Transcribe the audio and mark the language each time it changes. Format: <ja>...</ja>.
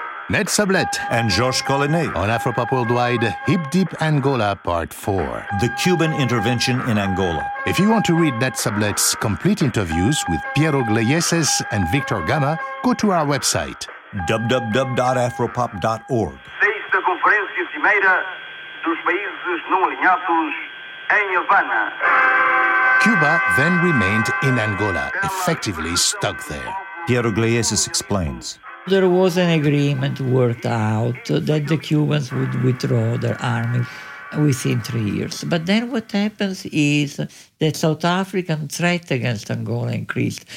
<en>Ned Sublette and Georges Collinet on Afropop Worldwide, Hip Deep Angola, Part 4. The Cuban Intervention in Angola. If you want to read Ned Sublette's complete interviews with Piero Gleyeses and Victor Gama, go to our website, www.afropop.org.</en> <pt>Sexta Conferência Cimeira dos Países Não Alinhados em Havana.</pt> <en>Cuba then remained in Angola, effectively stuck there. Piero Gleyeses explains. There was an agreement worked out that the Cubans would withdraw their army within 3 years. But then what happens is that South African threat against Angola increased.</en>